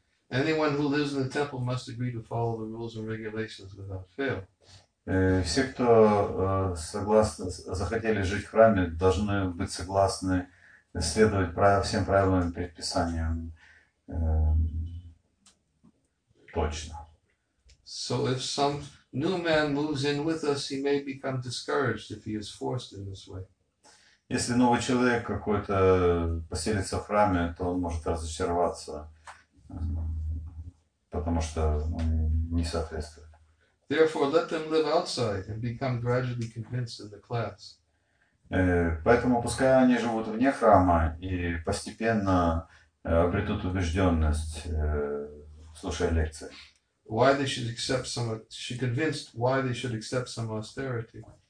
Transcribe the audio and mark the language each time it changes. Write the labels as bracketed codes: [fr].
[en] Anyone who lives in the temple must agree to follow the rules and regulations without fail. [ru] Все, кто согласны, захотели жить в храме, должны быть согласны следовать всем правилам и предписаниям точно. [en] So if some new man moves in with us, he may become discouraged if he is forced in this way. [ru] Если новый человек какой-то поселится в храме, то он может разочароваться. Потому что он не соответствует. [en] Therefore, let them live outside and become gradually convinced in the class. [ru] Поэтому пускай они живут вне храма и постепенно обретут убежденность, слушая лекции. [en] Why they should accept some? She convinced why they should accept some austerity.